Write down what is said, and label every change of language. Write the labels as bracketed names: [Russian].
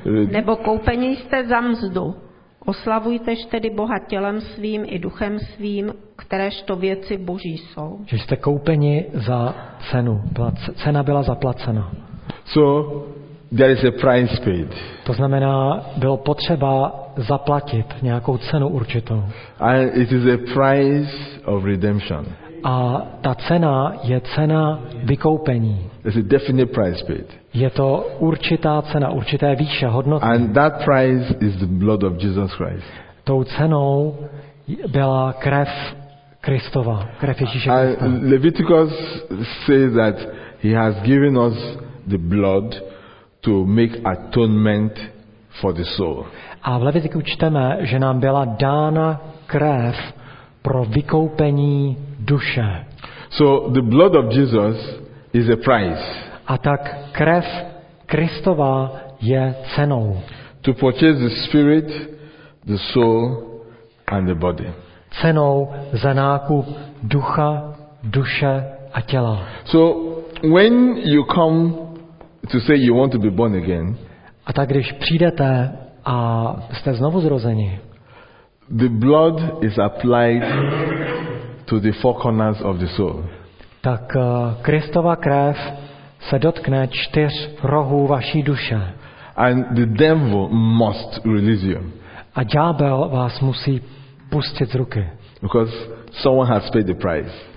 [Czech] nebo koupení jste za mzdu. Oslavujtež tedy Boha tělem svým i duchem svým, kteréž to věci boží jsou. Že jste koupeni za cenu. Cena byla zaplacena. [English] So there is a price paid. [Czech] To znamená, bylo potřeba zaplatit nějakou cenu určitou. [English] And it is a price of redemption. [Czech] A ta cena je cena vykoupení. [English] It's a definite price paid. [Czech] Je to určitá cena, určité výše hodnoty. [English] And that price is the blood of Jesus Christ. [Czech] Tou cenou byla krev Kristova, krev Ježíše Krista. [English] Leviticus says that he has given us the blood to make atonement for the soul. [Czech] A v Levitiku čteme, že nám byla dána krev pro vykoupení duše. [English] So the blood of Jesus is a price. [Czech] A tak krev Kristova je cenou. [English] To purchase the spirit, the soul and the body. [Czech] Cenou za nákup ducha, duše a těla. [English] So when you come to say you want to be born again, [Czech] A tak když přijdete a jste znovu zrozeni. [English] The blood is applied to the four corners of the soul. [Czech] Tak Kristova krev se dotkne čtyř rohů vaší duše. [English] And the devil must release you. [Czech] A ďábel vás musí pustit z ruky. [English] Because someone has paid the price.